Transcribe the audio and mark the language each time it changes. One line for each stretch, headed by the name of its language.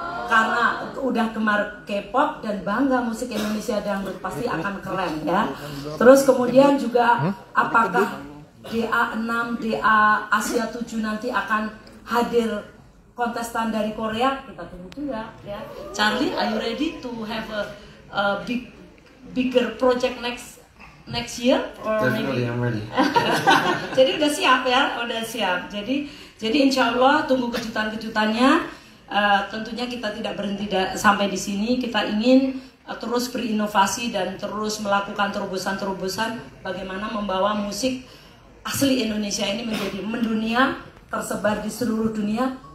Indonesian: Karena udah gemar K-pop dan bangga musik Indonesia dangdut, pasti akan keren ya. Terus kemudian juga apakah DA6, DA Asia 7 nanti akan hadir kontestan dari Korea? Kita tunggu juga ya.
English: Charlie, are you ready to have a bigger project next year? Definitely, I'm ready.
Indonesian: Jadi udah siap ya, udah siap. Jadi insya Allah tunggu kejutan-kejutannya. Tentunya kita tidak berhenti sampai di sini. Kita ingin terus berinovasi dan terus melakukan terobosan-terobosan bagaimana membawa musik asli Indonesia ini menjadi mendunia, tersebar di seluruh dunia.